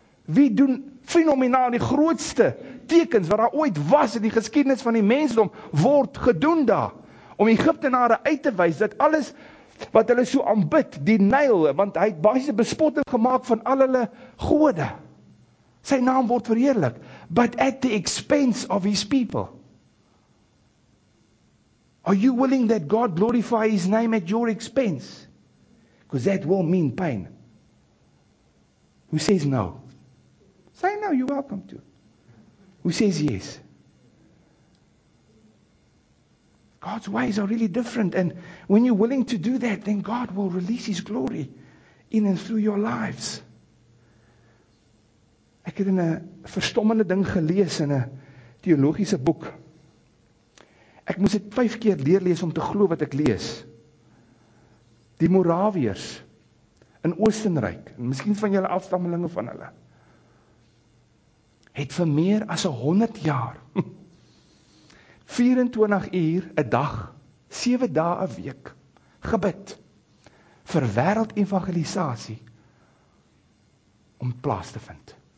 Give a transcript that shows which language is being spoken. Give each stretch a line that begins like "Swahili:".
Afrikaans: Wie doen fenomenaal die grootste tekens wat daar ooit was in die geskiedenis van die mensdom, word gedoen daar? Om Egiptenare uit te wys dat alles wat hulle so aanbid, die Nyl, want hy het basies 'n bespotting gemaak van al hulle gode. Sy naam word verheerlik.
English: But at the expense of his people. Are you willing that God glorify his name at your expense? Because that will mean pain. Who says no? Say no, you're welcome to. Who says yes? God's ways are really different, and when you're willing to do that, then God will release His glory in and through your lives.
Afrikaans: Ek het 'n verstommende ding gelees in 'n teologiese boek. Ek moes dit 5 keer leer lees om te glo wat ek lees. Die Moraviërs in Oostenryk, en miskien van julle afstammelinge van hulle, het vir meer as 100 jaar 24 uur 'n dag, 7 dae 'n week gebid vir wêreldevangelisasie om plaas te vind.